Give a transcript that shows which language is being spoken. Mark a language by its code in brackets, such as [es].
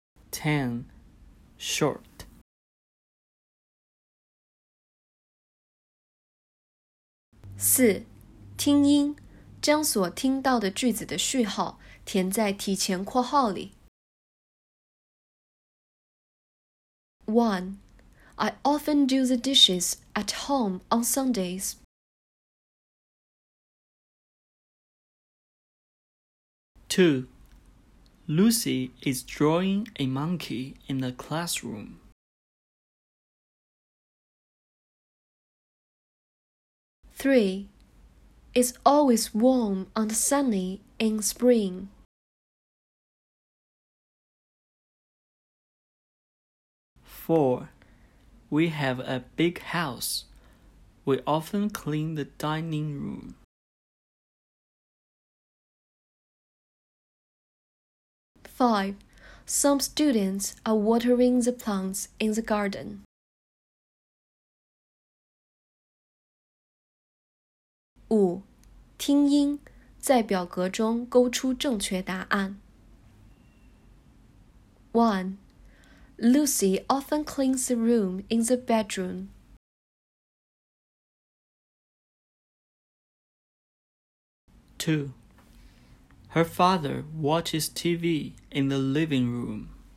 [en] Ten. Short. Four. [zh] 听音，将所听到的句子的序号填在提前括号里。 [en] One. I often do the dishes at home on Sundays. 2. Lucy is drawing a monkey in the classroom. 3. It's always warm and sunny in spring. 4. We have a big house. We often clean the dining room. Five. Some students are watering the plants in the garden. Five. [zh] 听音，在表格中勾出正确答案。 [en] One. Lucy often cleans the room in the bedroom. Two. Her father watches TV in the living room.